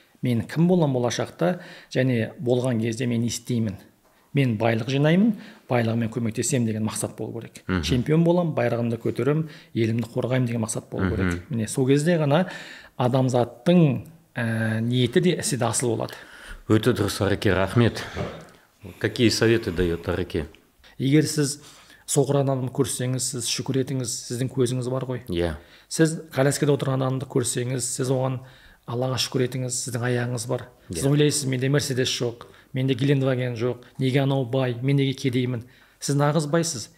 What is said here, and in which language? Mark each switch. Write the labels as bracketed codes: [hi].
[kk] Мен кім боламын болашақта және болған кезде мен не істеймін? Мен байлық жинаймын, байлығыммен көмектесемін деген мақсат болу керек. Чемпион болам, байрағымды көтерем, елімді қорғаймын деген мақсат болу керек. Міне, сол кезде ғана адамзаттың ниеті де ісі де асыл болады. Өте дұрыс, Ареке, рахмет. [ru] Какие советы дает Ареке? [kk] Егер сіз соқыр адамды көрсеңіз, сіз шүкір етіңіз, сіздің көзіңіз бар ғой. Иә. Сіз қалескеде отырған адамды көрсеңіз, сіз оған Аллаға шүкір етіңіз, сіздің аяғыңыз бар. Сіз ойлайсыз, менде Мерседес жоқ, менде Гелендваген жоқ, неге анау бай, мен неге кедеймін? Сіз нағыз байсыз.